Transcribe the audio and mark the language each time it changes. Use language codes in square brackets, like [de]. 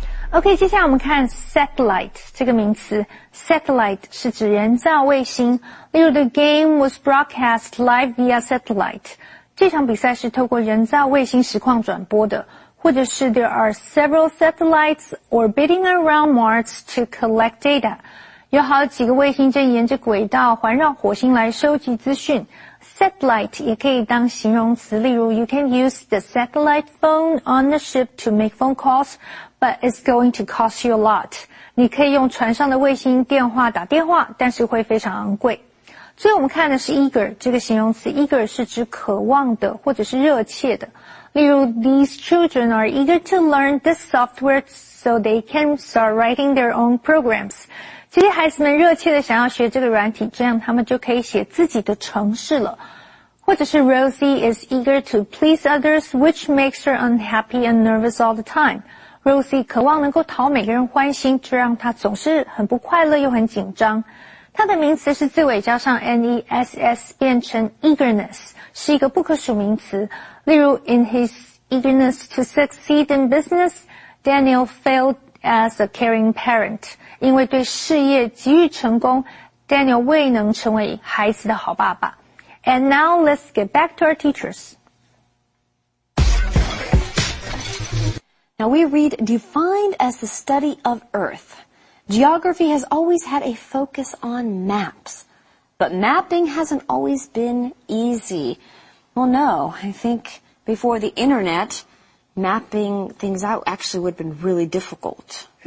[zh] OK, 接下来我们看 satellite 这个名词。satellite 是指人造卫星。例如 [en] the game was broadcast live via satellite. [zh] 这场比赛是透过人造卫星实况转播的。或者是 [en] there are several satellites orbiting around Mars to collect data. [zh] 有好几个卫星正沿着轨道环绕火星来收集资讯。 satellite 也可以当形容词。例如 [en] you can use the satellite phone on the ship to make phone calls,But it's going to cost you a lot. [zh] 你可以用船上的卫星电话打电话，但是会非常昂贵。最后我们看的是 eager 这个形容词。eager 是指渴望的或者是热切的。例如 [en] ,these children are eager to learn this software so they can start writing their own programs. [zh] 这些孩子们热切的想要学这个软体，这样他们就可以写自己的程式了。或者是 [en] Rosie is eager to please others, which makes her unhappy and nervous all the time. [zh] Rosie 渴望能够讨每个人欢心，这让她总是很不快乐又很紧张。它的名词是字尾加上 N-E-S-S 变成 eagerness, 是一个不可数名词。例如 [en] in his eagerness to succeed in business, Daniel failed as a caring parent. [zh] 因为对事业急于成功 ,Daniel 未能成为孩子的好爸爸。 [en] And now let's get back to our teachers. Now we read defined as the study of Earth. Geography has always had a focus on maps. But mapping hasn't always been easy. Well, no, I think before the internet, mapping things out actually would have been really difficult.